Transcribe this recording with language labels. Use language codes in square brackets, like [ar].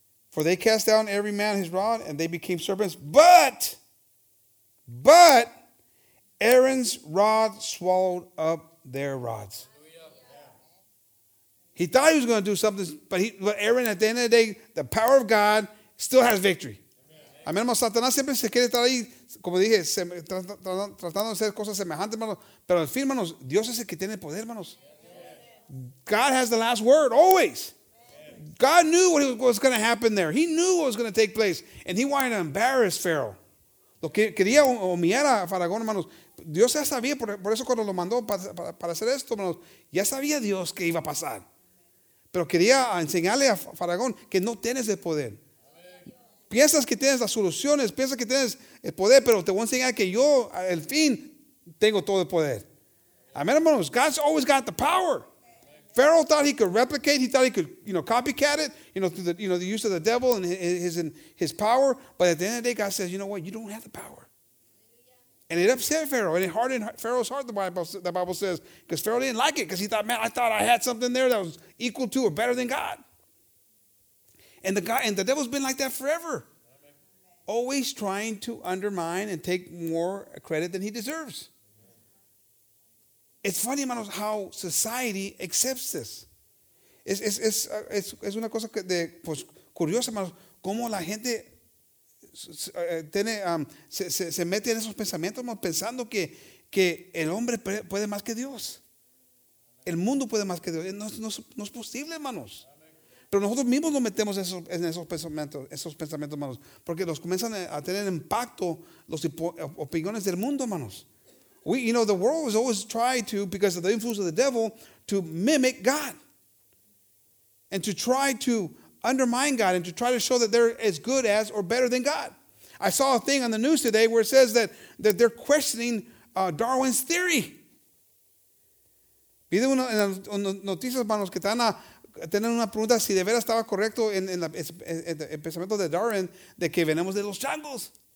[en] For they cast down every man his rod, and they became serpents. But Aaron's rod swallowed up their rods. He thought he was going to do something, but Aaron, at the end of the day, the power of God still has victory. [es] Amén, hermano. Satanás siempre se quiere estar ahí, como dije, tratando de hacer cosas semejantes, hermanos. Pero al fin, hermanos, Dios es el que tiene el poder, hermanos. [en] God has the last word, always. God knew what was going to happen there. He knew what was going to take place. And he wanted to embarrass Pharaoh. [es] Lo que quería humillar a Faraón, hermanos. Dios ya sabía, por eso cuando lo mandó para hacer esto, hermanos, ya sabía Dios que iba a pasar. Pero quería enseñarle a Faraón que no tienes el poder. Piensas que tienes las soluciones, piensas que tienes el poder, pero te voy a enseñar que yo, al fin, tengo todo el poder. Amén, hermanos. [en] God's always got the power. Pharaoh thought he could replicate, he thought he could, you know, copycat it, you know, through the, you know, the use of the devil and his power. But at the end of the day, God says, you know what, you don't have the power. And it upset Pharaoh, and it hardened Pharaoh's heart, the Bible says, because Pharaoh didn't like it, because he thought, man, I thought I had something there that was equal to or better than God. And the devil's been like that forever. Always trying to undermine and take more credit than he deserves. It's funny, hermanos, how society accepts this. [es] Es una cosa que pues curiosa, hermanos, cómo la gente se mete en esos pensamientos, hermanos, pensando que el hombre puede más que Dios. El mundo puede más que Dios. No es posible, hermanos. Pero nosotros mismos nos metemos en esos pensamientos, hermanos, porque nos comienzan a tener impacto las opiniones del mundo, hermanos. [en] We, you know, the world has always tried to, because of the influence of the devil, to mimic God and to try to undermine God and to try to show that they're as good as or better than God. I saw a thing on the news today where it says that they're questioning Darwin's theory. [es] Vi en las noticias, hermanos, que están teniendo una pregunta si de veras estaba correcto en el pensamiento de Darwin de que venimos de los changos.